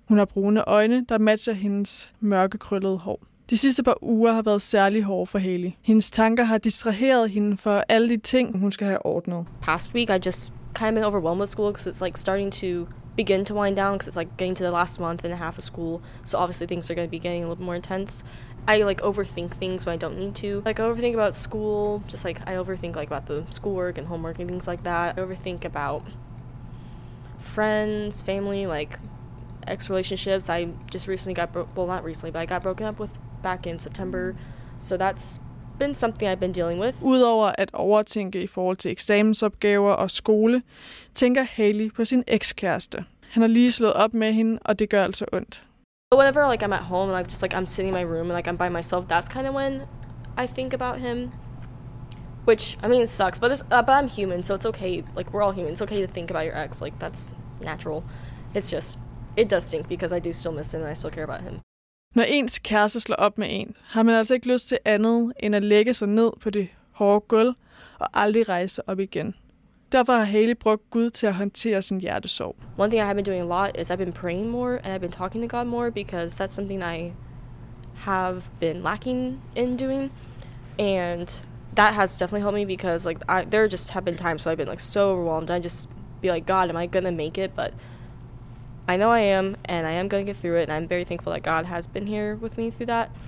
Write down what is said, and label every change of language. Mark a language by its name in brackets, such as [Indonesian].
[Danish] Hun har brune øjne, der matcher hendes mørke krøllede hår. De sidste par uger har været særlig hårde for Haley. Hendes tanker har distraheret hende for alle de ting, hun skal have ordnet. [English] Past week I just kind of been overwhelmed with school because it's like starting to begin to wind down because it's like getting to the last month and a half of school, so obviously things are going to be getting a little more intense. I like overthink things when I don't need to. Like, I overthink about school, just like I overthink like about the schoolwork and homework and things like that. I overthink about friends, family, like ex relationships. I just recently got I got broken up with back in September, so that's been something I've been dealing with. [Danish] Udover at overtænke i forhold til eksamensopgaver og skole, tænker Haley på sin ekskæreste. Han har lige slået op med hende, og det gør altså ondt. [English] Whenever like I'm at home and like just like I'm sitting in my room and like I'm by myself, that's kind of when I think about him. Which I mean it sucks, but I'm human, so it's okay. Like we're all human. It's okay to think about your ex. Like that's natural. It's just it does stink because I do still miss him and I still care about him. [Danish] Når ens kæreste slår op med en, har man altså ikke lyst til andet end at lægge sig ned på det hårde gulv og aldrig rejse op igen. Derfor har Haley brugt Gud til at håndtere sin hjertesorg. [English] One thing I have been doing a lot is I've been praying more and I've been talking to God more because that's something I have been lacking in doing. And that has definitely helped me because like there just have been times where I've been like so overwhelmed and I just be like, God, am I going to make it? But I know I am, and I am going to get through it, and I'm very thankful that God has been here with me through that.